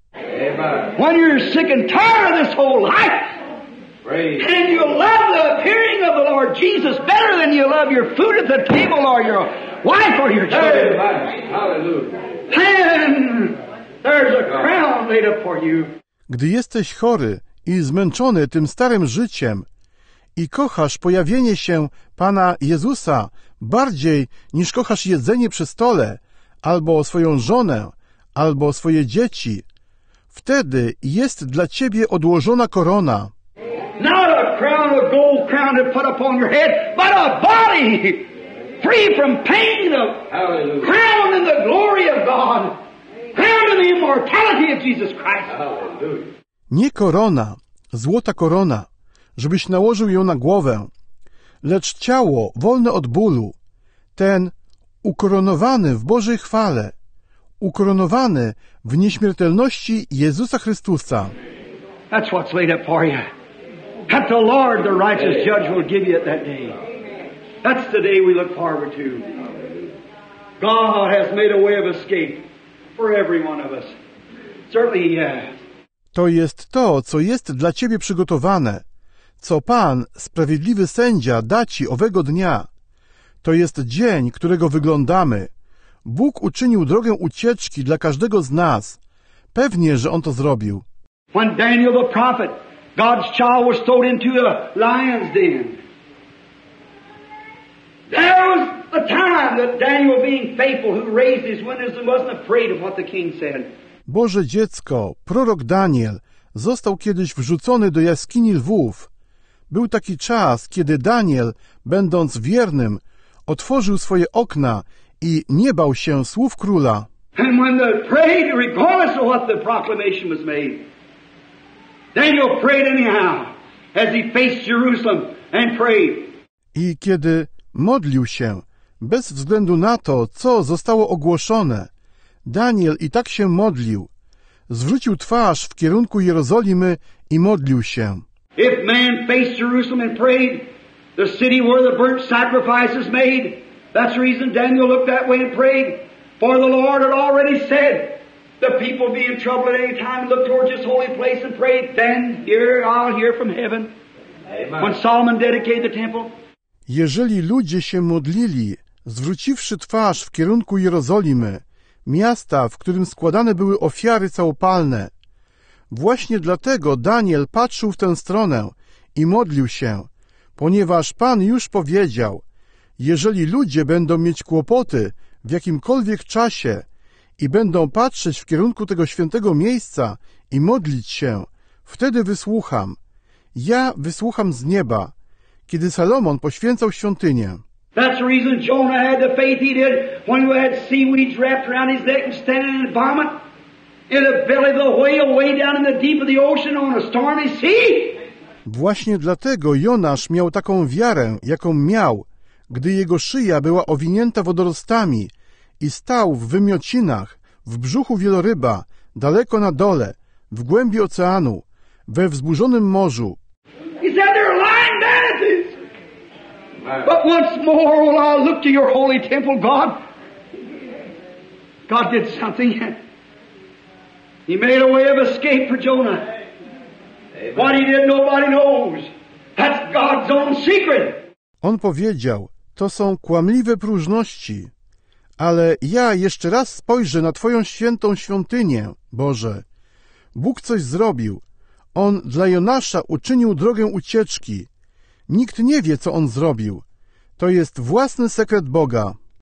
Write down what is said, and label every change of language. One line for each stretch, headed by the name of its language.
English: Amen. When you're sick and tired of this whole life, And you love the appearing of the Lord Jesus better than you love your food at the table or your wife or your children. Amen. Hallelujah. And there's a crown laid up for you.
Polish: Gdy jesteś chory i zmęczony tym starym życiem i kochasz pojawienie się Pana Jezusa bardziej niż kochasz jedzenie przy stole, albo swoją żonę, albo swoje dzieci, wtedy jest dla ciebie odłożona korona.
English: Not a crown of gold crown to put upon your head, but a body free from pain, a crown in the glory of God, crown in the immortality of Jesus Christ.
Polish: Nie korona, złota korona, żebyś nałożył ją na głowę, lecz ciało wolne od bólu, ten ukoronowany w Bożej chwale, ukoronowany w nieśmiertelności Jezusa Chrystusa.
English: That's what's laid up for you. That the Lord, the righteous judge, will give you at that day. That's the day we look forward to. God has made a way of escape for every one of us. Certainly, yeah.
Polish: To jest to, co jest dla ciebie przygotowane, co Pan, sprawiedliwy sędzia, da ci owego dnia. To jest dzień, którego wyglądamy. Bóg uczynił drogę ucieczki dla każdego z nas. Pewnie, że On to zrobił.
English: When Daniel the prophet, God's child, was thrown into the lion's den. There was a time that Daniel, being faithful, who raised his windows and wasn't afraid of what the king said.
Polish: Boże dziecko, prorok Daniel, został kiedyś wrzucony do jaskini lwów. Był taki czas, kiedy Daniel, będąc wiernym, otworzył swoje okna i nie bał się słów króla.
English: And when they prayed, regardless of what the proclamation was made, Daniel prayed anyhow, as he faced Jerusalem and prayed.
Polish: I kiedy modlił się, bez względu na to, co zostało ogłoszone, Daniel i tak się modlił. Zwrócił twarz w kierunku Jerozolimy i modlił się.
English: If man faced Jerusalem and prayed, the city where the burnt sacrifice is made, that's the reason Daniel looked that way and prayed. For the Lord had already said, the people be in trouble at any time, look towards his holy place and pray, then I'll hear from heaven. Amen. When Solomon dedicated the temple.
Polish: Jeżeli ludzie się modlili, zwróciwszy twarz w kierunku Jerozolimy, miasta, w którym składane były ofiary całopalne. Właśnie dlatego Daniel patrzył w tę stronę i modlił się, ponieważ Pan już powiedział, jeżeli ludzie będą mieć kłopoty w jakimkolwiek czasie i będą patrzeć w kierunku tego świętego miejsca i modlić się, wtedy wysłucham. Ja wysłucham z nieba, kiedy Salomon poświęcał świątynię.
English: That's the reason Jonah had the faith he did when he had seaweeds wrapped around his neck and standing in the vomit in the belly of the whale way down in the deep of the ocean on a stormy sea.
Polish: Właśnie dlatego Jonasz miał taką wiarę, jaką miał, gdy jego szyja była owinięta wodorostami i stał w wymiocinach, w brzuchu wieloryba, daleko na dole, w głębi oceanu, we wzburzonym morzu.
English: He said they're lying bandits. But once more will I look to your holy temple, God. God did something. He made a way of escape for Jonah. Amen. What he did, nobody knows. That's God's own secret.
Polish: On powiedział, to są kłamliwe próżności, ale ja jeszcze raz spojrzę na Twoją świętą świątynię, Boże. Bóg coś zrobił. On dla Jonasza uczynił drogę ucieczki. Nikt nie wie, co on zrobił. To jest własny sekret Boga.